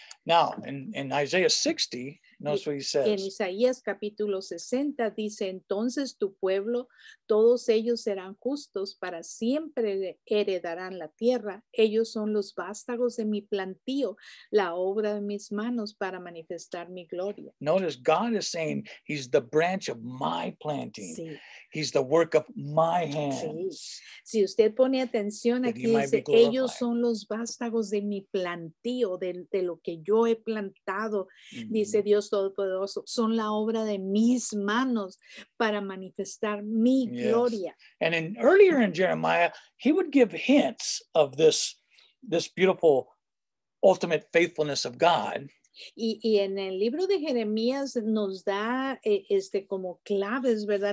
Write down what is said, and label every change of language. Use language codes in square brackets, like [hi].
[en] Now, in Isaiah 60, notice what he says. [es] En Isaías capítulo 60 dice, entonces tu pueblo, todos ellos serán justos, para siempre heredarán la tierra. Ellos son los vástagos de mi plantío, la obra de mis manos para manifestar mi gloria. [en] Notice God is saying he's the branch of my planting. [es] Sí. [en] He's the work of my hands. [es] Sí. Si usted pone atención aquí, dice, ellos son los vástagos de mi plantío, de lo que yo he plantado, dice Dios Todopoderoso, son la obra de mis manos para manifestar mi gloria. [en] And in earlier in Jeremiah, he would give hints of this beautiful ultimate faithfulness of God. [es] Y en el libro de Jeremías nos da como claves, ¿verdad?